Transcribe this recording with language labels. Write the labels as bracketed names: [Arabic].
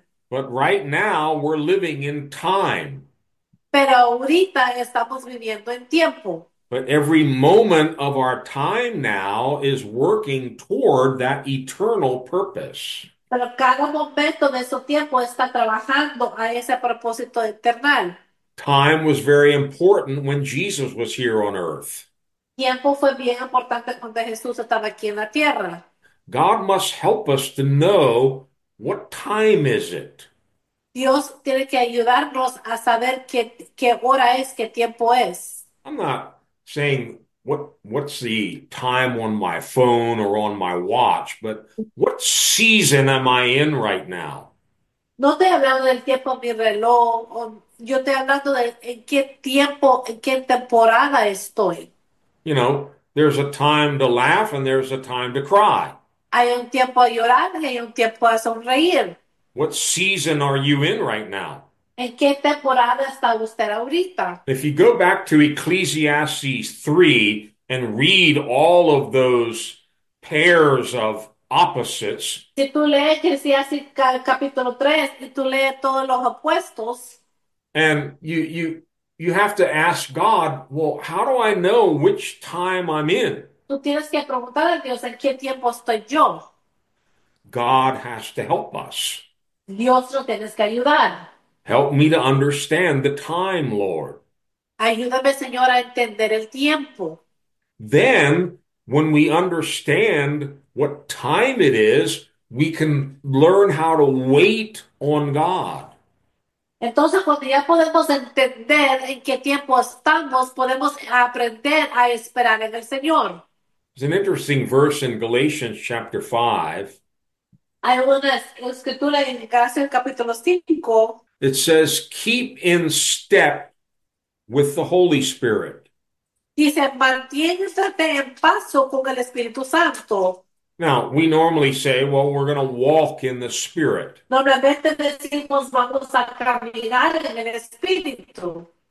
[English] But right now we're living in time. [Spanish] Pero ahorita estamos viviendo en tiempo. [English] But every moment of our time now is working toward that eternal purpose. [Spanish] Pero cada momento de su tiempo está trabajando a ese propósito eterno. [English] Time was very important when Jesus was here on earth. [Spanish] Tiempo fue bien importante cuando Jesús estaba aquí en la tierra. [English] God must help us to know what time is it. [Spanish] Dios tiene que ayudarnos a saber qué hora es, qué tiempo es. [English] I'm not saying what's the time on my phone or on my watch, but what season am I in right now? [Spanish] No te he hablado del tiempo en mi reloj, o yo estoy hablando de en qué tiempo, en qué temporada estoy. [English] You know, There's a time to laugh and there's a time to cry. [Spanish] Hay un tiempo a llorar y hay un tiempo a sonreír. [English] What season are you in right now? [Spanish] ¿En qué temporada está usted ahorita? [English] If you go back to Ecclesiastes 3 and read all of those pairs of opposites, [Spanish] Si tú lees Ecclesiastes capítulo 3 y tú lees todos los opuestos. [English] and you have to ask God, well, how do I know which time I'm in? [Spanish] Tú tienes que preguntar a Dios en qué tiempo estoy yo. [English] God has to help us. [Spanish] Dios lo tienes que ayudar. [English] Help me to understand the time, Lord. [Spanish] Ayúdame, Señor, a entender el tiempo. [English] Then, when we understand what time it is, we can learn how to wait on God. [Spanish] Entonces, cuando ya podemos entender en qué tiempo estamos, podemos aprender a esperar en el Señor. [English] An interesting verse in Galatians chapter 5. [Spanish] Hay una escritura en Galacia, capítulo 5. [English] It says, keep in step with the Holy Spirit. [Spanish] Dice, manténgase en paso con el Espíritu Santo. [English] Now, we normally say, well, we're going to walk in the Spirit. [Spanish] Normalmente decimos, vamos a caminar en el Espíritu.